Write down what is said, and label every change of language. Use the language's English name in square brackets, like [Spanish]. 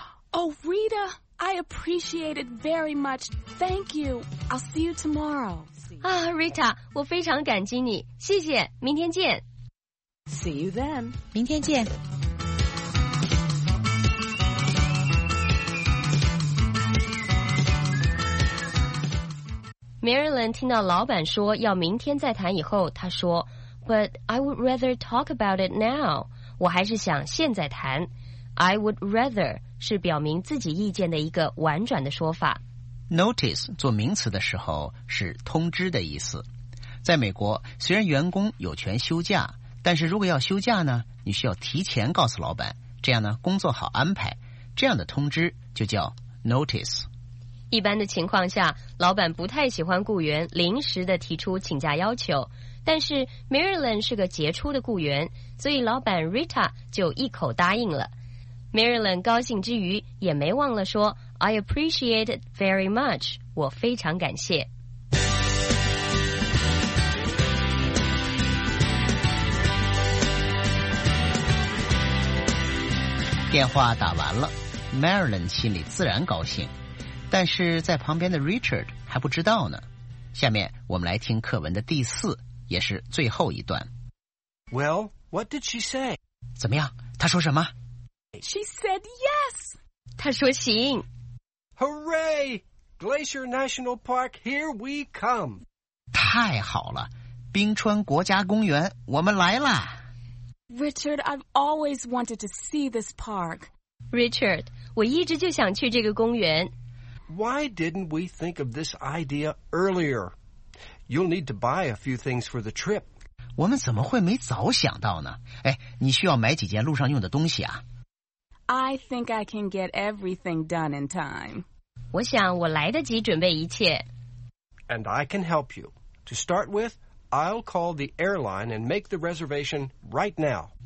[English] Oh, Rita, I appreciate it very much. Thank you. I'll see you tomorrow. [Chinese] Rita, 我非常感激你，谢谢，明天见。 [English] See you then. [Chinese] 明天见。 Marilyn 听到老板说要明天再谈以后，她说 [English] But I would rather talk about it now. [Chinese] 我还是想现在谈。 [English] I would rather [Chinese] 是表明自己意见的一个婉转的说法。 Notice 做名词的时候是通知的意思。在美国，虽然员工有权休假，但是如果要休假呢，你需要提前告诉老板，这样呢工作好安排。这样的通知就叫 Notice。一般的情况下，老板不太喜欢雇员临时的提出请假要求，但是 Marilyn 是个杰出的雇员，所以老板 Rita 就一口答应了。Marilyn 高兴之余，也没忘了说 [English] I appreciate it very much. [Chinese] 我非常感谢。电话打完了， Marilyn 心里自然高兴，但是在旁边的 Richard 还不知道呢。下面我们来听课文的第四也是最后一段。 [English] Well, what did she say? [Chinese] 怎么样，她说什么？ [English] She said yes. [Chinese] 她说行。 [English] Hooray! Glacier National Park, here we come. [Chinese] 太好了，冰川国家公园，我们来了。 [English] Richard, I've always wanted to see this park. [Chinese] Richard, 我一直就想去这个公园。 [English] Why didn't we think of this idea earlier? You'll need to buy a few things for the trip. [Chinese] 我们怎么会没早想到呢？哎，你需要买几件路上用的东西啊。 [English] I think I can get everything done in time. [Chinese] 我想我来得及准备一切。 [English] And I can help you. To start with, I'll call the airline and make the reservation right now.